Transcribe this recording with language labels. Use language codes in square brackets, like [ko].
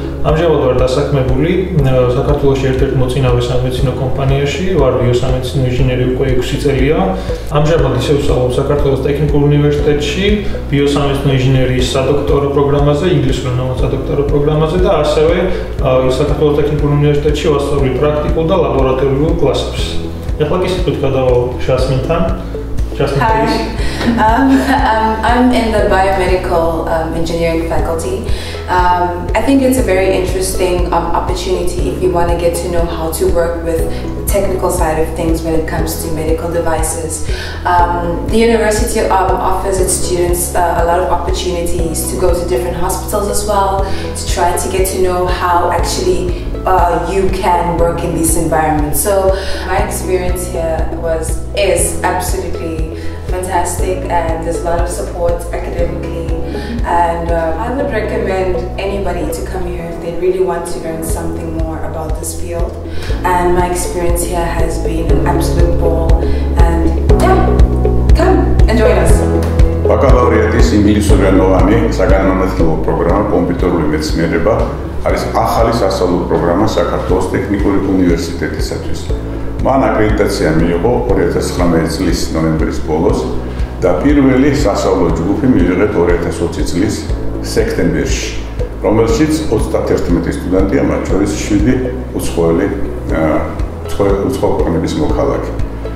[ka] ამჟამად ვარ დასაქმებული საქართველოს ერთ-ერთ მოწინავე სამედიცინო კომპანიაში, ვარ ბიოსამედიცინო ინჟინერი უკვე 6 წელია. ამჟამად ისე ვსწავლობ საქართველოს ტექნიკურ უნივერსიტეტში ბიოსამედიცინო ინჟინერიის სადოქტორო პროგრამაზე, ინგლისურ ენაზე სადოქტორო პროგრამაზე და ასევე საქართველოს ტექნიკურ უნივერსიტეტში ვასწავლი პრაქტიკულ და ლაბორატორიულ კლასებს. Я пока сижу тут, когда сейчас мне там. [en] I'm in the biomedical engineering faculty. I think it's a very interesting opportunity if you want to get to know how to work with the technical side of things when it comes to medical devices. The university offers its students a lot of opportunities to go to different hospitals as well, to try to get to know how actually you can work in these environments. So my experience here is absolutely fantastic, and there's a lot of support academically, and I would recommend anybody to come here if they really want to learn something more about this field. And my experience here has been an absolute ball, and yeah, come and join us. [ka] Бакалавриатის ინგლისურენოვანი საგანმანათლებლო პროგრამა კომპიუტერული მეცნიერება არის ახალი სასწავლო პროგრამა საქართველოს ტექნიკური უნივერსიტეტისათვის. Мана аккредитация მიიღო 2019 წლის ნოემბრის ბოლოს და პირველი სასწავლო ჯგუფი მიიღეთ 2020 წლის სექტემბერში, რომელშიც 31 სტუდენტია, მათ შორის 7 უცხოელი უცხო ქვეყნების მოქალაქე.